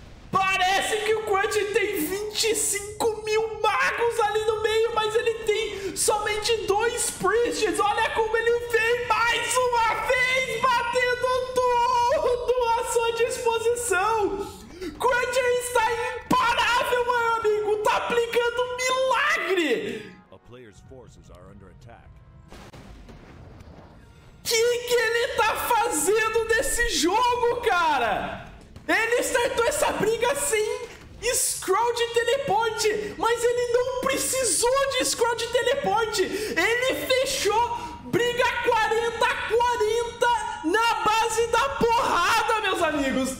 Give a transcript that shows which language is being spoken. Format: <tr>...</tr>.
<pt>Parece que o Crunch tem 25 mil magos ali no meio, mas ele tem somente dois priests. Olha como ele vem mais uma vez batendo tudo à sua disposição. Crunch está imparável, meu amigo. Tá aplicando um milagre.</pt> <en>A player's forces are under attack.</en> <pt>Que ele tá fazendo nesse jogo, cara? Ele startou essa briga sem scroll de teleporte, mas ele não precisou de scroll de teleporte. Ele fechou briga 40-40 na base da porrada, meus amigos.</pt>